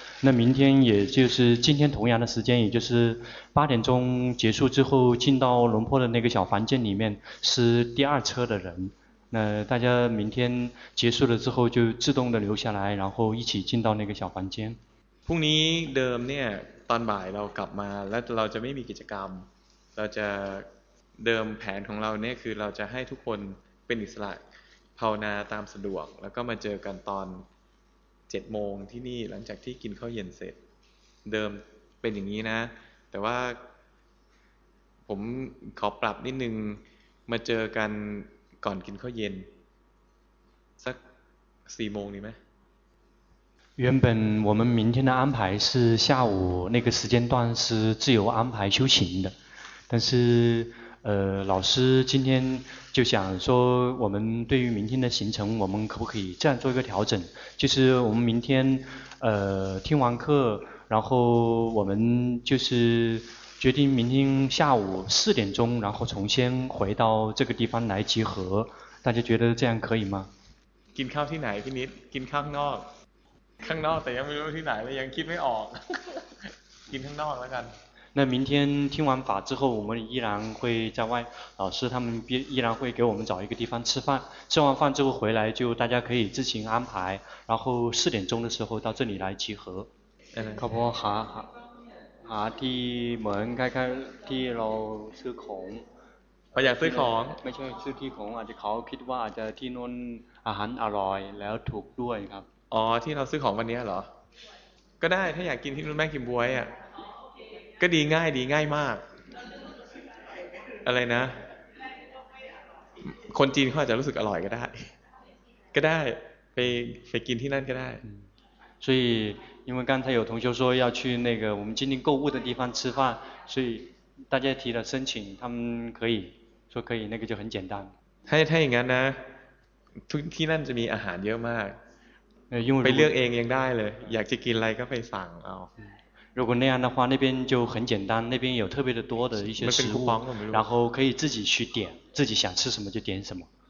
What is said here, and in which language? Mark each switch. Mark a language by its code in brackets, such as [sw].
[zh] 那明天也就是今天同样的时间，也就是八点钟结束之后，进到龙坡的那个小房间里面是第二车的人。那大家明天结束了之后就自动的留下来，然后一起进到那个小房间。 [th] พรุ่งนี้เดิมเนี่ยตอนบ่ายเรากลับมาแล้วเราจะไม่มีกิจกรรมเราจะเดิมแผนของเราเนี่ยคือเราจะให้ทุกคนเป็นอิสระภาวนาตามสะดวกแล้วก็มาเจอกันตอน7โมงที่นี่หลังจากที่กินข้าวเย็นเสร็จเดิมเป็นอย่างนี้นะแต่ว่าผมขอปรับนิดนึงมาเจอกันก่อนกินข้าวเย็นสัก4โมงดีไหม [zh] 原本我们明天的安排是下午那个时间段是自由安排修行的，但是老师今天就想说，我们对于明天的行程，我们可不可以这样做一个调整？就是我们明天听完课，然后我们就是决定明天下午四点钟，然后重新回到这个地方来集合。大家觉得这样可以吗？ [th] กินข้าวที่ไหน พี่นิด กินข้างนอกข้างนอกแต่ยังไม่รู้ที่ไหนเลยยังคิดไม่ออกกินข้างนอกแล้วกัน [zh] 那明天听完法之后我们依然会在外老师他们依然会给我们找一个地方吃饭吃完饭之后回来就大家可以自行安排然后四点钟的时候到这里来集合 [th] ครับผมหาที่เหมือนใกล้ๆที่เราซื้อของ ไปอยากซื้อของ ไม่ใช่ซื้อที่ของอาจจะเขาคิดว่าอาจจะที่นู้นอาหารอร่อยแล้วถูกด้วยครับ อ๋อที่เราซื้อของวันนี้เหรอก็ได้ถ้าอยากกินที่รุ่นแม่กิมบวยอ่ะก็ดีง่ายดีง่ายมากอะไรนะคนจีนเขาอาจจะรู้สึกอร่อยก็ได้ก็ได้ไปกินที่นั่นก็ได้ [zh] 所以因为刚才有同学说要去那个我们今天购物的地方吃饭所以大家提了申请他们可以说可以那个就很简单 [th] ถ้าอย่างนั้นนะที่นั่นจะมีอาหารเยอะมากไปเลือกเองยังได้เลยอยากจะกินอะไรก็ไปสั่งเอา [zh] 如果那样的话那边就很简单那边有特别的多的一些食物然后可以自己去点自己想吃什么就点什么